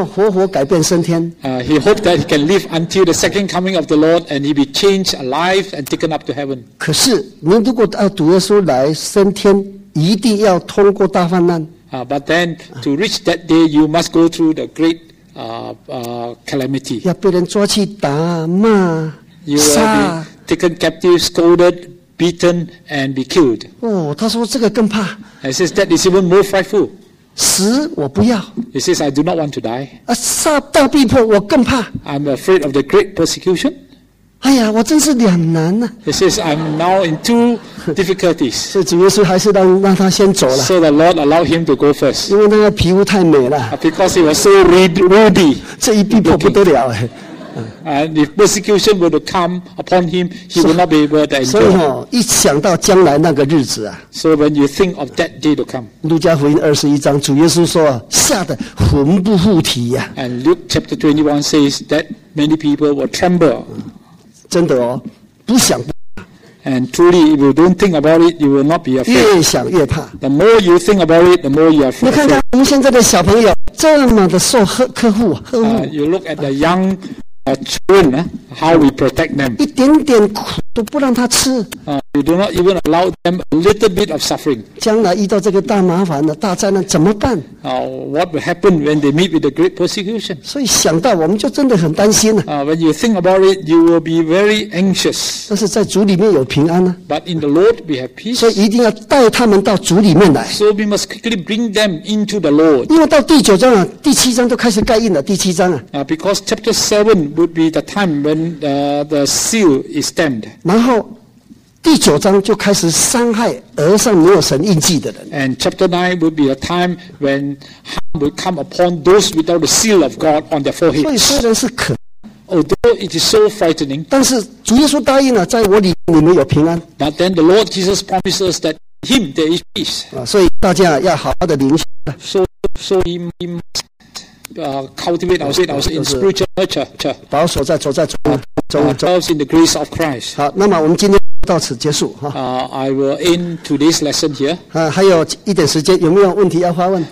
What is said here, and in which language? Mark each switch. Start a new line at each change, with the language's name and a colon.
English: He hoped that he can live until the second coming of the Lord and he be changed alive and taken up to heaven.
Chinese: 可是你如果要主耶稣来升天，一定要通过大患难。
English: But then to reach that day, you must go through the great calamity.
Chinese: 要被人抓去打骂，
English: You will be taken captive, scolded. Beaten and be killed.
Chinese: Oh, 他说这个更怕。
English: He says that is even more frightful.
Chinese: 死我不要。
English: He says I do not want to die.
Chinese: 啊，杀大逼迫我更怕。
English: I'm afraid of the great persecution.
Chinese: 哎呀，我真是两难啊。
English: He says I'm now in two difficulties.
Chinese: 所以主耶稣还是让他先走了。
English: So the Lord allowed him to go first.
Chinese: 因为那个皮肤太美了。
English: Because he was so ruddy.
Chinese: 这一逼迫不得了哎。
English: And if persecution were to come upon him, he would not be able to endure.
Chinese: 所以哦，一想到将来那个日子啊
English: ，So when you think of that day to come,
Chinese: 路加福音二十一章，主耶稣说，吓得魂不附体呀。
English: And Luke chapter 21 says that many people will tremble.
Chinese: 真的哦，不想。
English: And truly, if you don't think about it, you will not be afraid.
Chinese: 越想越怕。
English: The more you think about it, the more you are afraid.
Chinese: 你看看我们现在的小朋友这么的受呵护。
English: You look at the young. Children, how we protect them.
Chinese: 一点点苦都不让他吃。
English: You do not even allow them a little bit of suffering.
Chinese: 将来遇到这个大麻烦了、大灾难怎么办？
English: What will happen when they meet with the great persecution?
Chinese: 所以想到我们就真的很担心了。
English: When you think about it, you will be very anxious.
Chinese: 但是在主里面有平安呢。
English: But in the Lord we have peace.
Chinese: 所以一定要带他们到主里面来。
English: So we must quickly bring them into the Lord.
Chinese: 因为到第九章啊、第七章都开始盖印了。第七章啊。
English: Because chapter 7 would be the time when the seal is stamped.
Chinese: 然后。第九章就开始伤害额上没有神印记的人。
English: And chapter 9 would be a time when harm would come upon those without the seal of God on their foreheads.
Chinese: 所以虽然是可
English: although it is so frightening,
Chinese: 但是主耶稣答应了，在我里你们有平安。
English: But then the Lord Jesus promises that in Him there is peace.
Chinese: 所以大家要好好的灵修。
English: So we must cultivate ourselves in spiritual nurture.
Chinese: 保守在走在主中。
English: Ourselves in the grace of Christ.
Chinese: 好，那么我们今天。到此结束、
English: I will end today's lesson here.
Chinese: 还有一点时间，有没有问题要发问？